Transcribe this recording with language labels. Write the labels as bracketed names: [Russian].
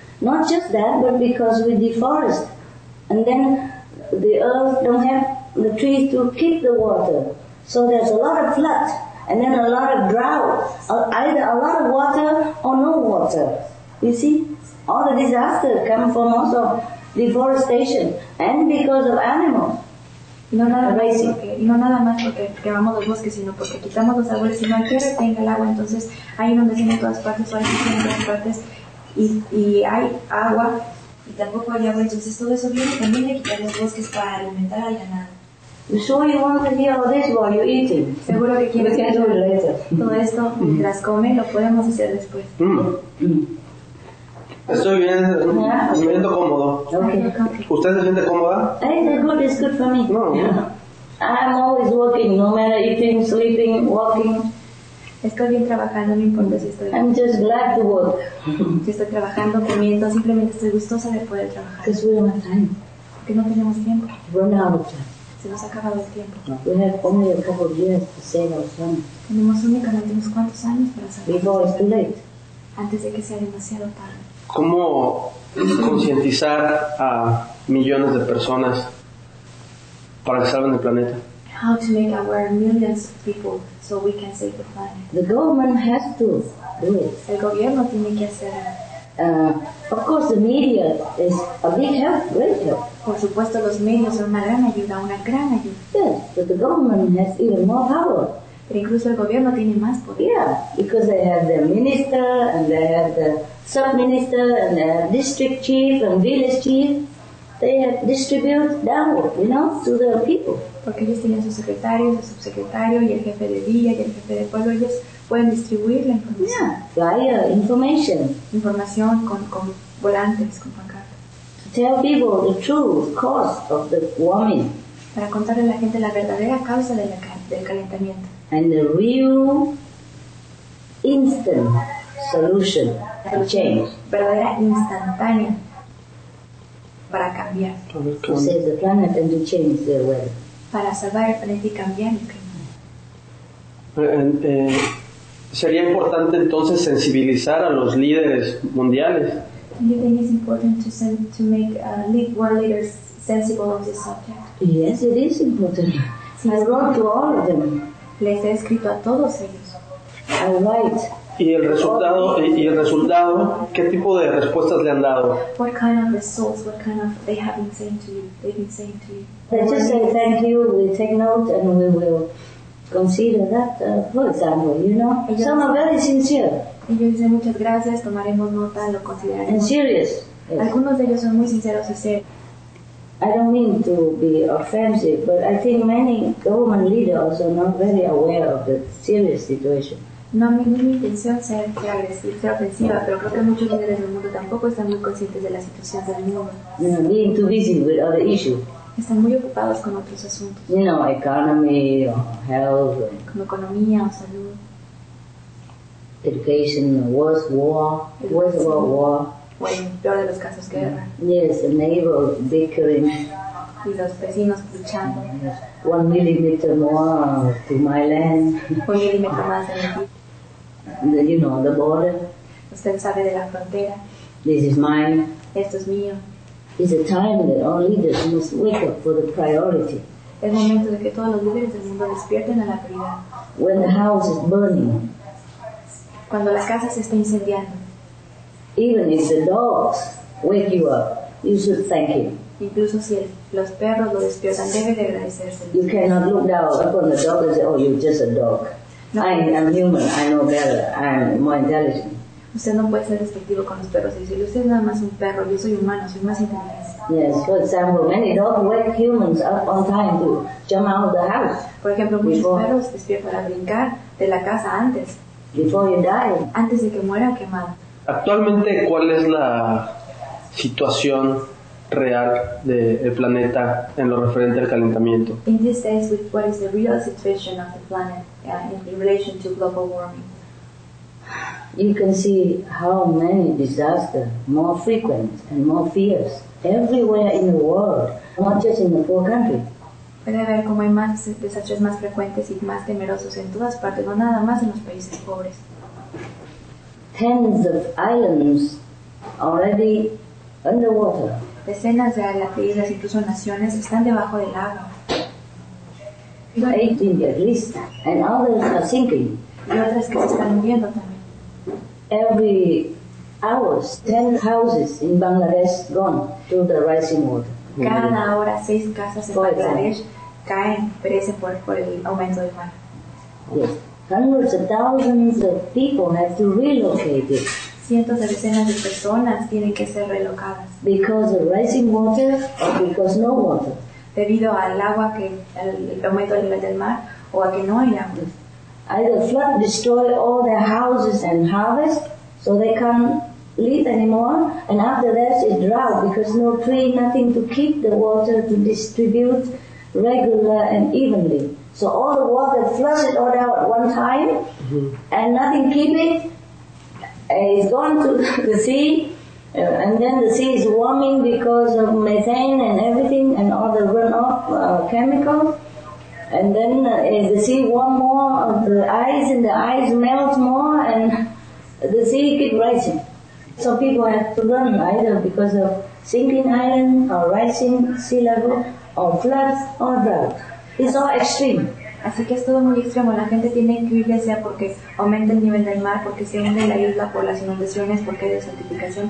[English] Not just that, but because we deforest. And then the earth don't have the trees to keep the water. So there's a lot of flood. And then a lot of drought, either a lot of water or no water. You see, all the disaster come from also deforestation and because of animals. [Spanish] No nada más porque quemamos los bosques, sino porque quitamos los árboles. Si no hay que retenga el agua, entonces ahí donde tienen todas partes, ahí tienen todas partes y hay agua y tampoco hay agua. Entonces todo eso viene también de quitar los bosques para alimentar al ganado. [English] I'm sure you want to hear all this while you're eating. [Spanish] Seguro que quieres hacer todo esto mientras comes, lo podemos hacer después. Estoy bien, me siento cómodo. [English] Okay. [Spanish] ¿Usted se siente cómoda? [English] I think good is good for me. No. I'm always working, no matter eating, sleeping, walking. [Spanish] Estoy bien trabajando, no importa si estoy. [English] I'm just glad to work. [Spanish] Si estoy trabajando, comiendo, simplemente estoy gustosa de poder trabajar. [English] Because we don't have time. [Spanish] Porque no tenemos tiempo. [English] Run out of time. [Spanish] Se nos ha acabado el tiempo. [English] We have only a couple of years to save our son. [Spanish] Tenemos únicamente unos cuantos años para salvar. [English] Before it's too late. [Spanish] Antes de que sea demasiado tarde. ¿Cómo concientizar a millones de personas para que salven el planeta? [English] How to make aware millions of people so we can save the planet. The government has to do it. [Spanish] El gobierno tiene que hacerlo. [English] Of course, the media is a big help, great help. [Spanish] Por supuesto, los medios son una gran ayuda. [English] Yes, but the government has even more power. [Spanish] Pero incluso el gobierno tiene más poder. [English] Yeah, because they have their minister, and they have the sub-minister, and their district chief, and village chief. They have distributed downward, you know, to the people. [Spanish] Porque ellos tienen sus secretarios, su subsecretario, y el jefe de villa, y el jefe de pueblo, ellos pueden distribuir la información. [English] Yeah, flyer, information. [Spanish] Información con volantes, con pancartas. [English] Tell people the true cause of the warming. [Spanish] Para contarle a la gente la verdadera causa del calentamiento. [English] And the real instant solution to change. [Spanish] Verdadera instantánea para cambiar. [English] To save the planet and to change the weather. [Spanish] Para salvar el planeta y cambiar el clima. Sería importante entonces sensibilizar a los líderes mundiales. [English] You think it's important to make world leaders sensible of this subject? Yes, it is important. Sí, I wrote to all of them. [Spanish] Les he escrito a todos ellos. [English] I write. [Spanish] Y el resultado, ¿qué tipo de respuestas le han dado? [English] What kind of results? What kind of they have been saying to you? They just say thank you. We take note and we will consider that, for example, you know, [Spanish] ellos [English] some are very sincere. [Spanish] Ellos dicen muchas gracias, tomaremos nota, lo consideraremos. [English] And serious. Yes. [Spanish] Algunos de ellos son muy sinceros y serios. [English] I don't mean to be offensive, but I think many government leaders also are not very aware of the serious situation. [Spanish] No, mi intención es ser agresiva, ser ofensiva, pero creo que muchos líderes del mundo tampoco están muy conscientes de la situación del mundo. [English] You know, being too busy with other issues. [Spanish] Están muy ocupados con otros asuntos. [English] You know, economy or health. Or [Spanish] como economía o salud. [English] Education, worst war, worst sí. World war. [Spanish] Bueno, peor de los casos que guerra. [English] Yes, the neighbor bickering. [Spanish] Y los vecinos luchando. [English] Yes. 1 millimeter more to my land. [Spanish] 1 millimeter más de mi. [English] You know, the border. [Spanish] Usted sabe de la frontera. [English] This is mine. [Spanish] Esto es mío. [English] It's a time that all leaders must wake up for the priority. [Spanish] Es momento de que todos los líderes del mundo despierten a la prioridad. [English] When the house is burning. [Spanish] Cuando la casa se está incendiando. [English] Even if the dogs wake you up, you should thank him. [Spanish] Incluso si los perros lo despiertan, debe de agradecerse. [English] You cannot look down upon the dog and say, "Oh, you're just a dog." No. I am human. I know better. I am more intelligent. [Spanish] Usted no puede ser despectivo con los perros. Dice, usted nada más un perro. Yo soy humano. Soy más inteligente. [English] Yes. For example, many dogs wake humans up on time to jump out of the house. [Spanish] Por ejemplo, muchos perros despiertan para brincar de la casa antes. [English] Before you die. [Spanish] Antes de que muera quemado. Actualmente, ¿cuál es la situación real del planeta en lo referente al calentamiento? [English] In these days, what is the real situation of the planet in relation to global warming? You can see how many disasters, more frequent and more fierce, everywhere in the world, not just in the poor country. [Spanish] Puede ver cómo hay más desastres más frecuentes y más temerosos en todas partes, no nada más en los países pobres. [English] Tens of islands already underwater. [Spanish] Decenas de islas, incluso naciones, están debajo del agua. [English] 18 at least, and others are sinking. [Spanish] Y otras que se están hundiendo también. [English] Every hours, 10 houses in Bangladesh gone to the rising water. [Spanish] Cada hora, 6 casas en Bangladesh caen, perecen por el aumento del mar. [English] Yes. Hundreds of thousands of people have to relocate it. [Spanish] Cientos de decenas de personas tienen que ser relocadas. [English] Because of rising water or because no water. [Spanish] Debido al agua que el aumento del nivel del mar o a que no hay agua. [English] Either flood destroy all their houses and harvest, so they can't live anymore. And after that, it's drought because no tree, nothing to keep the water to distribute regular and evenly. So all the water flushes all out at one time, mm-hmm. And nothing keep it. It's gone to the sea, and then the sea is warming because of methane and everything, and all the runoff chemicals. And then if the sea warm more, the ice and the ice melt more, and the sea keep rising. So people have to run either because of sinking island or rising sea level or floods or drought. It's all extreme. [Spanish] Así que es todo muy extremo. La gente tiene que huir ya sea porque aumenta el nivel del mar, porque se hunde la isla por las inundaciones, porque hay desertificación.